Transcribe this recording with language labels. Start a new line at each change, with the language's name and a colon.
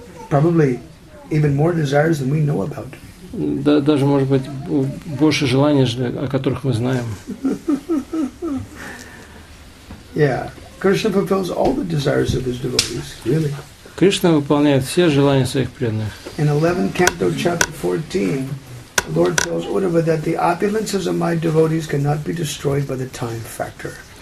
English: Probably even more desires than we know about.
Russian: Да, даже, может быть, больше желаний, о которых мы знаем.
English: Yeah, Krishna fulfills all the desires of his devotees, really.
Russian: Кришна выполняет все желания своих преданных.
English: In 11th canto, chapter 14, the Lord tells Uddhava that the opulences of my devotees cannot be destroyed by the time factor.